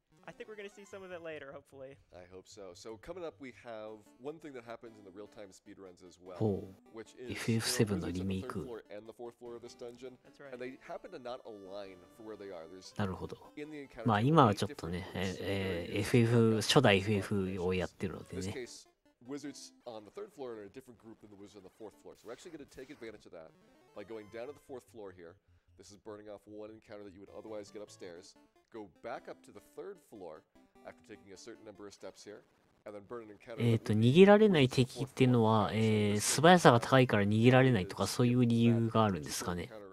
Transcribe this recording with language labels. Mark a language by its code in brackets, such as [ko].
[en] I think we're going to see some of it later, hopefully. I hope so. So coming up, we have one thing that happens in the real-time speedruns as well. Which is [ja] FF7 のリメイク。 [en] And the fourth floor of this dungeon. That's right. And they happen to not align for where they are. [ja] なるほど。まあ今はちょっとね、FF、初代 FF をやってるのでね。 [en] Wizards on the third floor are in a different group than the wizards on the fourth floor. So we're actually going to take advantage of that by going down to the fourth floor here. This is burning off one encounter that you would otherwise get upstairs. Go back up to the third floor after taking a certain number of steps here, and then burn an encounter. [ja] 逃げられない敵っていうのは、素早さが高いから逃げられないとかそういう理由があるんですかね。